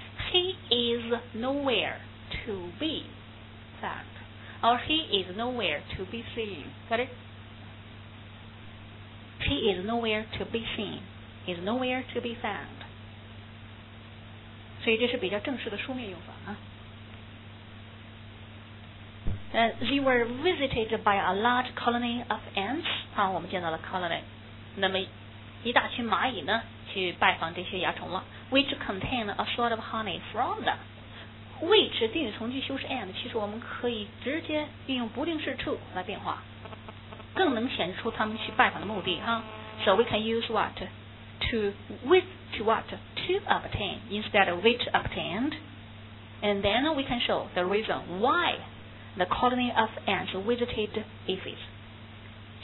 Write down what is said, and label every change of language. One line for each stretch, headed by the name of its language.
English: He is nowhere to be. Or he is nowhere to be seen. Got it? He is nowhere to be seen. He is nowhere to be found.
Chinese: 所以这是比较正式的书面用法啊。
English: They were visited by a large colony of ants.
Chinese: 好，我们见到了 colony. 那么一大群蚂蚁呢，去拜访这些蚜虫了。
English: Which contained a sort of honey from them.
Chinese: Which 定语从句修饰 and， 其实我们可以直接运用不定式 to 来变化，更能显示出他们去拜访的目的哈。
English: So we can use what to with to what to obtain instead of which obtained， and then we can show the reason why the colony of ants visited aphids。